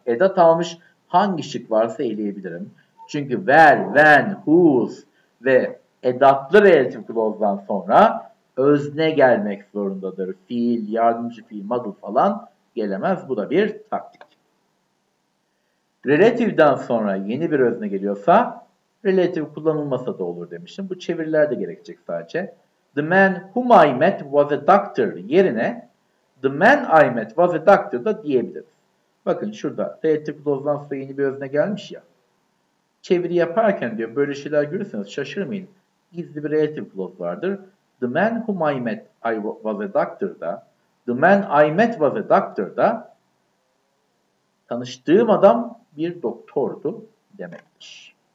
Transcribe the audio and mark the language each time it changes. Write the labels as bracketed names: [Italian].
[Turkish] Edat almış hangi şık varsa eleyebilirim. Çünkü where, when, whose ve edatlı relative clause'dan sonra özne gelmek zorundadır. Fiil, yardımcı fiil, model falan gelemez. Bu da bir taktik. Relative'den sonra yeni bir özne geliyorsa relative kullanılmasa da olur demiştim. Bu çeviriler de gerekecek sadece. [English] The man whom I met was a doctor [Turkish] yerine [English] the man I met was a doctor [Turkish] da diyebiliriz. Bakın şurada relative clause'dan sonra yeni bir özne gelmiş ya. Çeviri yaparken diyor böyle şeyler görürseniz şaşırmayın. Gizli bir relative clause vardır. [English] The man whom I met was a doctor da the man I met was a doctor da [Turkish] tanıştığım adam bir doktordu demektir.